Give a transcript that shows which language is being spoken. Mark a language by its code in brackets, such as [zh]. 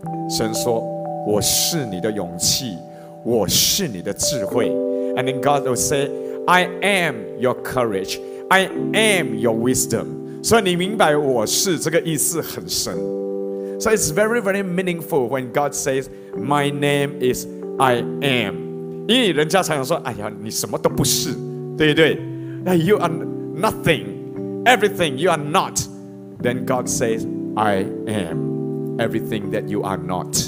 [zh] 神说我是你的勇气，我是你的智慧。 [en] And then God will say, I am your courage, I am your wisdom. [zh] 所以你明白我是这个意思很深。 [en] So it's very very meaningful when God says, My name is I am. [zh] 因为人家常常说哎呀你什么都不是，对不对？ [en] You are nothing, everything you are not. Then God says, I am everything that you are not.